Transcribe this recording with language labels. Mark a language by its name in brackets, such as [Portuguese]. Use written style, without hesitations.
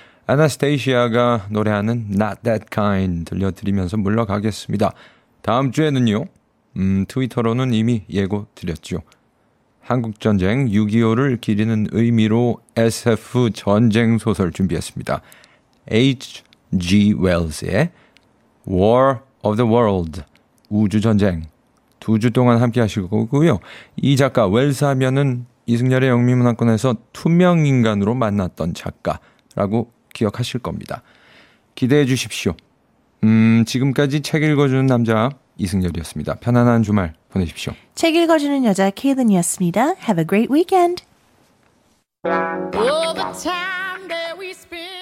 [Korean] Anastasia가 노래하는 Not That Kind 들려드리면서 물러가겠습니다. 다음 주에는요, 트위터로는 이미 예고 드렸죠. 한국전쟁 6.25를 기리는 의미로 SF 전쟁 소설 준비했습니다. H.G. Wells의 War of the World, 우주전쟁. 두 주 동안 함께 하실 거고요. 이 작가 웰스 하면은 이승열의 영미문학권에서 투명인간으로 만났던 작가라고 기억하실 겁니다. 기대해 주십시오. 지금까지 책 읽어주는 남자 이승열이었습니다. 편안한 주말 보내십시오. 책 읽어주는 여자 케이든이었습니다. [English] Have a great weekend. Over time that we spend.